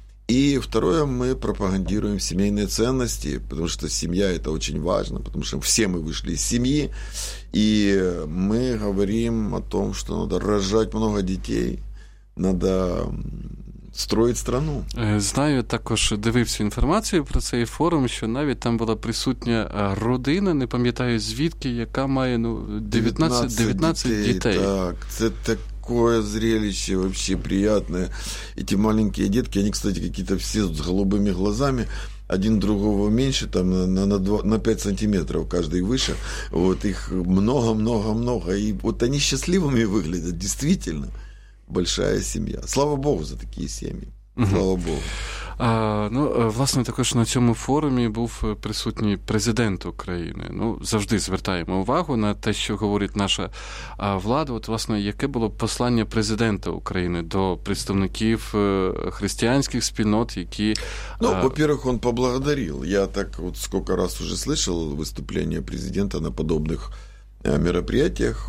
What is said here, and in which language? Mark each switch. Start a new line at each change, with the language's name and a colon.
Russian: И второе, мы пропагандируем семейные ценности, потому что семья – это очень важно, потому что все мы вышли из семьи, и мы говорим о том, что надо рожать много детей, надо строить страну.
Ukrainian: Знаю, також дивився інформацію про цей форум, що навіть там була присутня родина, не пам'ятаю звідки, яка має 19 дітей. Так, це так.
Russian: Такое зрелище вообще приятное. Эти маленькие детки, они, кстати, какие-то все с голубыми глазами. Один другого меньше, там на 5 сантиметров каждый выше. Вот их много. И вот они счастливыми выглядят, действительно. Большая семья. Слава Богу за такие семьи. Слава Богу.
Ukrainian: Ну, власне, також на цьому форумі був присутній президент України. Ну, завжди звертаємо увагу на те, що говорить наша влада. От, власне, яке було послання президента України до представників християнських спільнот, які...
Russian: Ну, во-первых, он поблагодарил. Я так вот сколько раз уже слышал выступления президента на подобных мероприятиях.